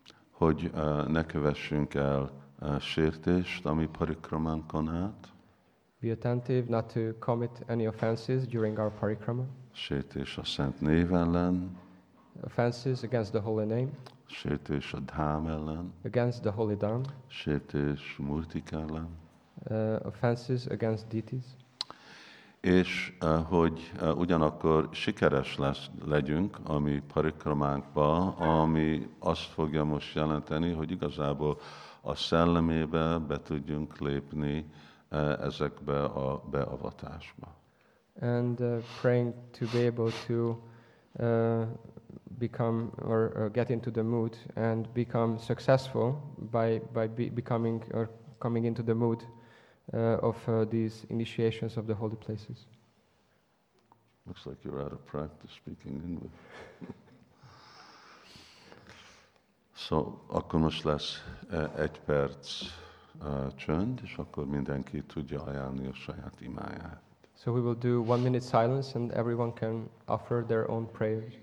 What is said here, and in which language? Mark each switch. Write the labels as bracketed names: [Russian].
[Hungarian] Hogy ne kövessünk el sértést, ami parikramánkon át. [English] Be attentive not to commit any offenses during our parikrama. [Hungarian] Sértés a szent név ellen. [English] Offenses against the holy name. [Hungarian] Sértés a dham ellen. [English] Against the holy dham. [Hungarian] Sértés murtik ellen. [English] Offenses against deities. [Hungarian] És hogy ugyanakkor sikeres legyünk a mi parikramánkba, ami azt fogja most jelenteni, hogy igazából a szellemébe be tudjunk lépni ezekbe a beavatásba. [English] And praying to be able to become or get into the mood and become successful by becoming into the mood of these initiations of the holy places. Looks like you're out of practice speaking English. [Hungarian] So, akkor most lesz egy perc csönd, és akkor mindenki tudja ajánlani a saját imáját. [English] So we will do 1 minute silence and everyone can offer their own prayer.